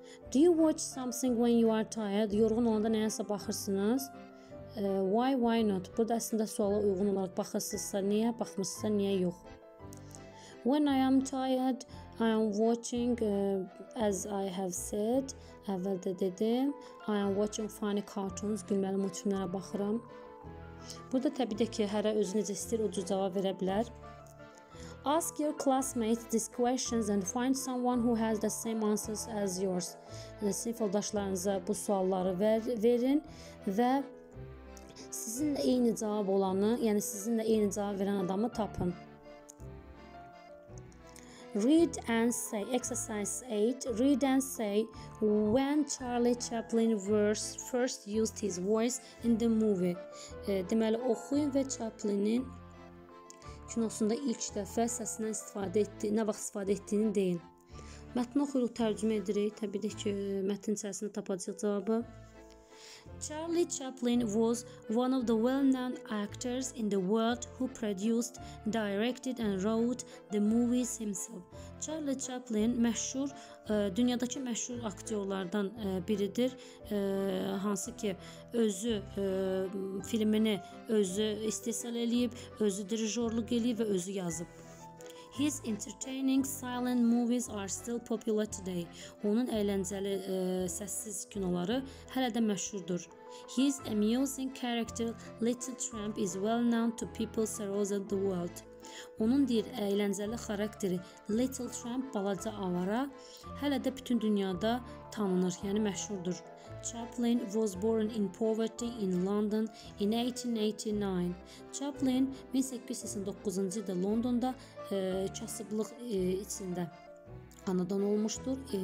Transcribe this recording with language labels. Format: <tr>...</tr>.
<en>Do you watch something when you are tired?</en> <az>Yorğun olanda nəyəsə baxırsınız?</az> <en>Why, why not?</en> <az>Burada əslində suala uyğun olaraq baxırsınızsa, niyə baxmışsınızsa, niyə yox?</az> <en>When I am tired, I am watching, as I have said,</en> <az>əvvəldə dedim,</az> <en>I am watching funny cartoons,</en> <az>gülməli multfilmlərə baxıram. Burada təbii ki, hərə özünü istəyir, ucu cavab verə bilər.</az> <en>Ask your classmates these questions and find someone who has the same answers as yours.</en> <az>Sinif yoldaşlarınıza bu sualları verin və sizinlə eyni cavab olanı, yəni sizinlə eyni cavab verən adamı tapın.</az> <en>Read and say, exercise 8, read and say when Charlie Chaplin was first used his voice in the movie.</en> <az>Deməli, oxuyun və Chaplin'in kinosunda ilk dəfə səsindən istifadə etdi, nə vaxt istifadə etdiyini deyin. Mətni oxuyuruq, tərcümə edirik, təbii ki, mətnin içərisində tapacaq cavabı.</az> <en>Charlie Chaplin was one of the well-known actors in the world who produced, directed and wrote the movies himself.</en> <az>Charlie Chaplin məşhur, dünyadakı məşhur aktyorlardan biridir, hansı ki özü filmini özü istehsal eləyib, özü dirijorluq eləyib və özü yazıb.</az> <en>His entertaining silent movies are still popular today.</en> <az>Onun əyləncəli səssiz kinoları hələ də məşhurdur.</az> <en>His amusing character Little Tramp is well known to people around the world.</en> <az>Onun deyir əyləncəli xarakteri Little Tramp balaca avara hələ də bütün dünyada tanınır, yəni məşhurdur.</az> <en>Chaplin was born in poverty in London in 1889.</en> <az>Chaplin 1889-cu ildə Londonda kasıblıq içində anadan olmuşdur.</az>